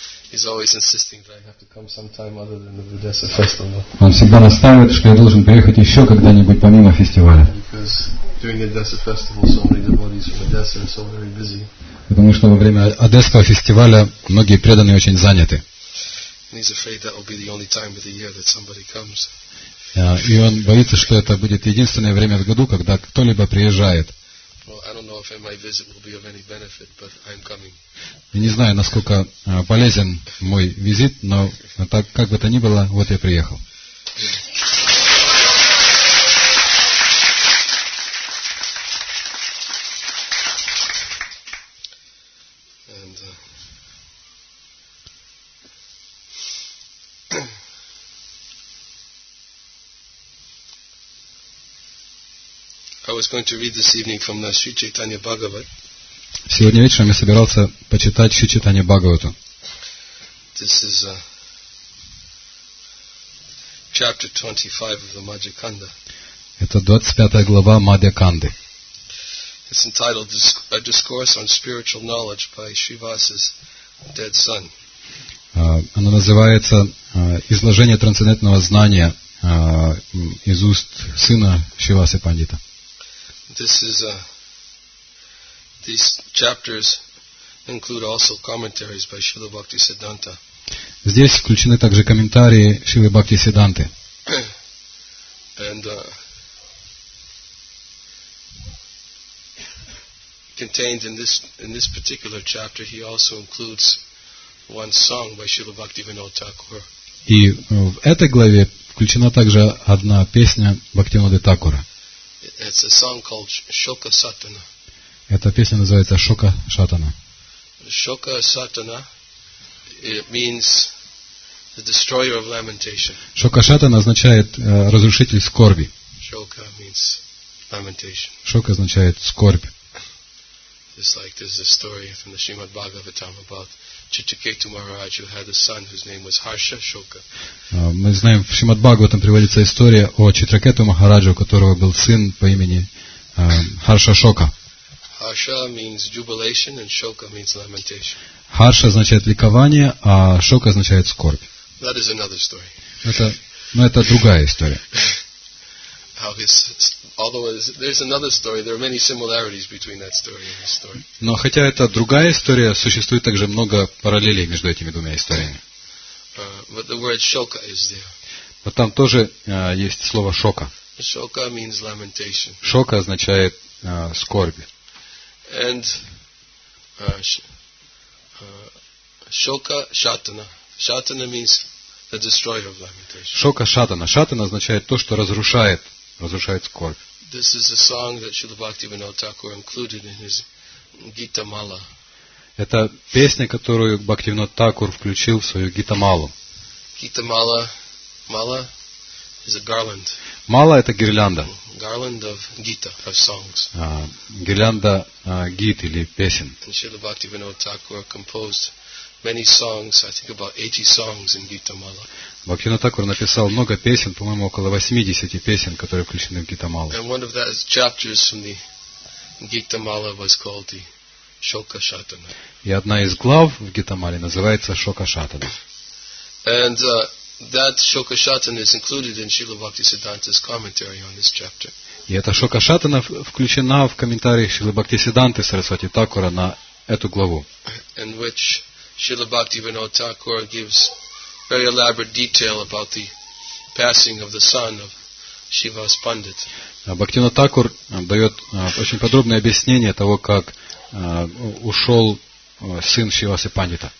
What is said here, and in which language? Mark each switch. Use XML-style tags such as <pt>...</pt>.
<en>He's always insisting that I have to come sometime other than the Odessa festival.</en> <ru>Он всегда настаивает, что я должен приехать еще когда-нибудь помимо фестиваля.</ru> <en>Because during the Odessa festival, so many devotees from Odessa are so very busy.</en> <ru>Потому что во время Одесского фестиваля многие преданные очень заняты.</ru> <en>And he's afraid that will be the only time of the year that somebody comes.</en> <ru>И он боится, что это будет единственное время в году, когда кто-либо приезжает.</ru> <en>Well, I don't know if my visit will be of any benefit, but I'm coming.</en> <ru>Не знаю, насколько полезен мой визит, но так как бы то ни было, вот я приехал.</ru> <en>I was going to read this evening from the Sri Chaitanya Bhagavat.</en> <ru>Сегодня вечером я собирался почитать Шри Чайтанья Бхагавату.</ru> <en>This is chapter 25 of the Madhya Kanda.</en> <ru>Это 25-я глава Мадхья Канды.</ru> <en>It's entitled "A Discourse on Spiritual Knowledge" by Srivasa's dead son.</en> <ru>Оно называется "Изложение трансцендентного знания из уст сына Шривасы Пандита".</ru> <en>This is these chapters include also commentaries by Srila Bhaktisiddhanta.</en> <ru>Здесь включены также комментарии Шрилы Бхактисидданты.</ru> <en>And contained in this particular chapter, he also includes one song by Srila Bhaktivinoda Thakur.</en> <ru>И в этой главе включена также одна песня Бхактивиноды Такура.</ru> <en>It's a song called Shoka Satana.</en> <ru>Эта песня называется Шока Сатана.</ru> <en>Shoka Satana, it means the destroyer of lamentation.</en> <ru>Шока Сатана означает разрушитель скорби.</ru> <en>Shoka means lamentation.</en> <ru>Шока означает скорбь.</ru> <en>Just like there's a story from the Srimad Bhagavatam about Chitraketu Maharaj, who had a son whose name was Harsha Shoka.</en> <ru>Мы знаем, в Шримад Бхагаватам приводится история о Читракету Махараджу, у которого был сын по имени Харша Шока.</ru> <en>Harsha means jubilation and Shoka means lamentation.</en> <ru>Харша означает ликование, а Шока означает скорбь.</ru> <en>That is another story.</en> <ru>Это другая история.</ru> <en>how his, although there's another story, there are many similarities between that story and his story.</en> <ru>Но хотя это другая история, существует также много параллелей между этими двумя историями.</ru> <en>But the word shoka is there.</en> <ru>Но там тоже есть слово шока.</ru> <en>Shoka means lamentation.</en> <ru>Шока означает скорби.</ru> <en>And shoka shatana. Shatana means the destroyer of lamentation.</en> <ru>Шока шатана. Шатана означает то, что разрушает, разрушает скорбь.</ru> <en>This is a song that Srila Bhaktivinoda Thakur included in his Gita Mala.</en> <ru>Это песня, которую Бхактивинода Такур включил в свою Гита Малу.</ru> <en>Гита Мала, Мала is a garland.</en> <ru>Мала это гирлянда.</ru> <en>Garland of Gita, of songs.</en> <ru>Гирлянда гит или песен.</ru> <en>And Srila Bhaktivinoda Thakur composed many songs, I think about 80 songs in Gita Mala.</en> <ru>Бхактивинода Такур написал много песен, по-моему, около 80 песен, которые включены в Гита Малу.</ru> <en>And one of those chapters from the Gita Mala was called the Shoka Shatana.</en> <ru>И одна из глав в Гита Мале называется Шока Шатана.</ru> <en>And that Shoka Shatana is included in Srila Bhaktisiddhanta's commentary on this chapter.</en> <ru>И эта Шока Шатана включена в комментарии Шрилы Бхактисиддханты Сарасвати Такура на эту главу.</ru> <en>In which Srila Bhaktivinoda Thakur gives very elaborate detail about the passing of the son of Shiva's Pandit.</en> <ru>Бхактивинода Такур дает очень подробное объяснение того, как ушел сын Шивасы Пандита.</ru>